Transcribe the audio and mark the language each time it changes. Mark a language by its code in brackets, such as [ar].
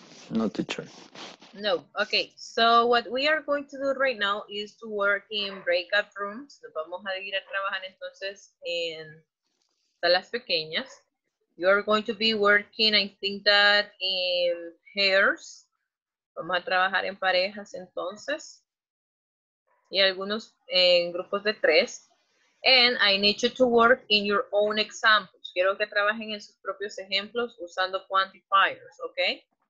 [en] No, teacher. No. Okay. So what we are going to do right now is to work in breakout rooms. [es] Nos vamos a ir a trabajar entonces en salas pequeñas. [en] You are going to be working, I think that, in pairs. [es] Vamos a trabajar en parejas entonces. Y algunos en grupos de tres. [en] And I need you to work in your own examples. [es] Quiero que trabajen en sus propios ejemplos usando quantifiers, okay?